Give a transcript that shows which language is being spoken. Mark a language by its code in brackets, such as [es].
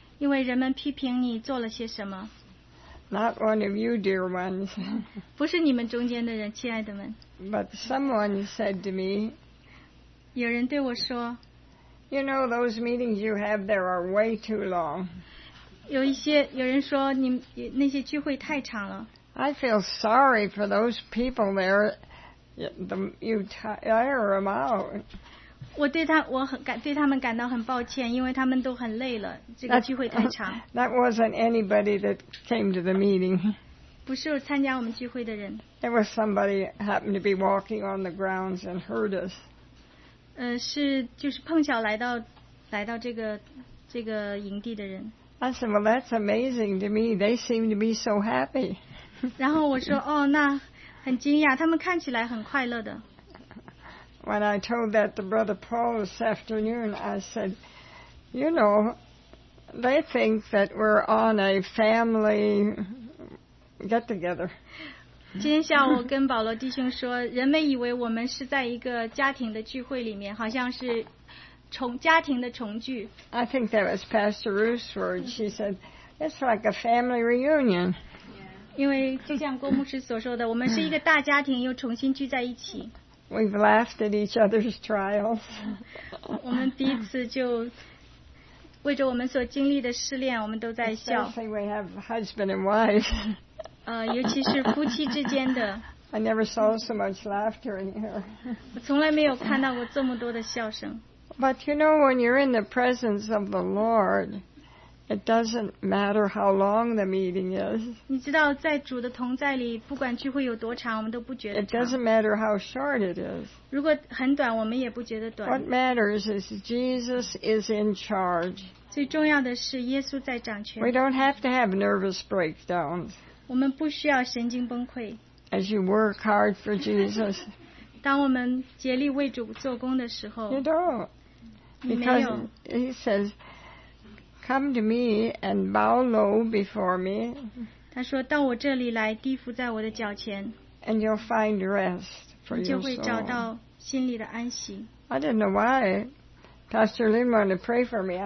[zh] 因为人们批评你做了些什么。 [en] Not one of you, dear ones. [zh] 不是你们中间的人，亲爱的们。 [en] But someone said to me. [zh] 有人对我说。 [en] You know those meetings you have there are way too long. [zh] 有人说你那些聚会太长了。 [en] I feel sorry for those people there. You tire them out. [zh] 我对他们感到很抱歉，因为他们都很累了，这个聚会太长。 [en] That wasn't anybody that came to the meeting. [zh] 不是参加我们聚会的人。 [en] It was somebody happened to be walking on the grounds and heard us. [zh] 是碰巧来到这个营地的人。 [en] I said, well, that's amazing to me. They seem to be so happy. [zh] 然后我说，哦，那很惊讶，他们看起来很快乐的。 [en] When I told that to Brother Paul this afternoon, I said, you know, they think that we're on a family get-together. [zh] 今天下午我跟保罗弟兄说，人们以为我们是在一个家庭的聚会里面，好像是家庭的重聚。 [en] I think that was Pastor Ruth's word. She said, it's like a family reunion. [zh] 因为就像郭牧师所说的，我们是一个大家庭，又重新聚在一起。 [en] We've laughed at each other's trials. [zh] 我们彼此就为着我们所经历的试炼，我们都在笑。 [en] Especially we have husband and wife. [zh] 尤其是夫妻之间的。 [en] I never saw so much laughter in here. [zh] 我从来没有看到过这么多的笑声。 [en] But you know, when you're in the presence of the Lord, it doesn't matter how long the meeting is. [zh] 你知道，在主的同在里，不管聚会有多长，我们都不觉得长。 [en] It doesn't matter how short it is. [zh] 如果很短，我们也不觉得短。 [en] What matters is Jesus is in charge. [zh] 最重要的是耶稣在掌权。 [en] We don't have to have nervous breakdowns. [zh] 我们不需要神经崩溃。 [en] As you work hard for Jesus. [zh] 当我们竭力为主做工的时候， [en] you don't. Because he says, "Come to me and bow low before me." [zh] 他说到我这里来，低伏在我的脚前。 [en] And you'll find rest for your soul. [zh] 就会找到心里的安息。 [en] I don't know why Pastor Lynn wanted to pray for me.